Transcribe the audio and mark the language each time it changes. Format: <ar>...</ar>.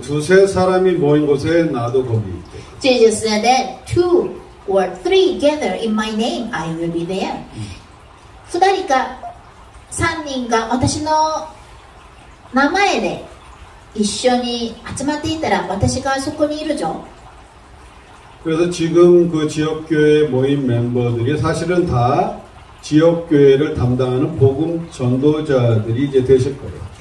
<ko>두세 사람이 모인 곳에 나도 거기 있대.</ko> <en>Jesus said that two or three gather in my name, I will be there.</en> <ja>2人か 3人が 私の 名前で 一緒に 集まっていたら 私가 そこにいるぞ.</ja> <ko>그래서 지금 그 지역교회 모인 멤버들이 사실은 다 지역교회를 담당하는 복음 전도자들이 이제 되실 거예요.</ko>